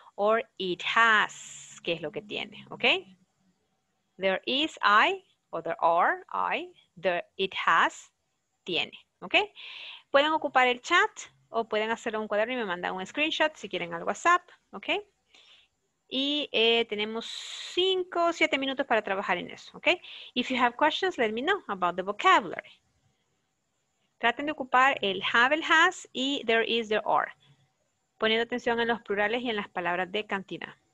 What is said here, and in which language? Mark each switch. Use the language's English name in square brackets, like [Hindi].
[English] Or it has, [Spanish] ¿qué es lo que tiene? [English] ¿Ok? There is, I, or there are, I, there, it has, tiene, ¿ok? [Spanish] Pueden ocupar el chat o pueden hacer un cuaderno y me mandan un screenshot si quieren al WhatsApp, ¿ok? Y tenemos 5 o 7 minutos para trabajar en eso, ¿ok? [English] If you have questions, let me know about the vocabulary. [Spanish] Traten de ocupar el have, el has y there is, there are. Poniendo atención en los plurales y en las palabras de cantidad.